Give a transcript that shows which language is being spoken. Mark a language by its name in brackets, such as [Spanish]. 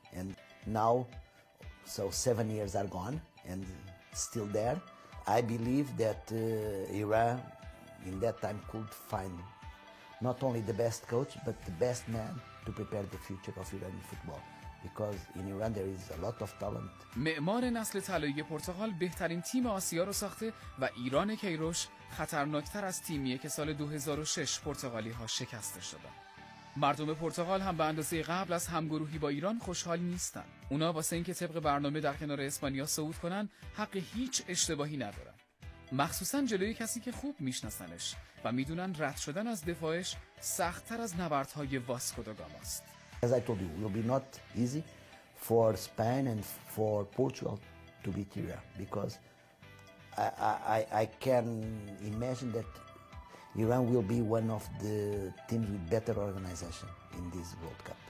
[English] And now, so 7 years are gone and still there. I believe that Iran in that time could find not only the best coach, but the best man to prepare the future of Iranian football. Because in Iran there is a lot of talent. [Persian] معمار نسل طلایی پرتغال بهترین تیم آسیا رو ساخته و ایران کیروش خطرناکتر از تیمیه که سال 2006 پرتغالی ها شکسته شدن. مردم پرتغال هم به اندازه قبل از همگروهی با ایران خوشحال نیستن. اونا واسه اینکه طبق برنامه در کنار اسپانیا صعود کنن حق هیچ اشتباهی ندارن. مخصوصا جلوی کسی که خوب میشناسنش و میدونن رد شدن از دفاعش سخت‌تر از نبردهای واسکو دا گاماست. [English] As I told you, it will be not easy for Spain and for Portugal to beat Iran because I can imagine that Iran will be one of the teams with better organization in this World Cup.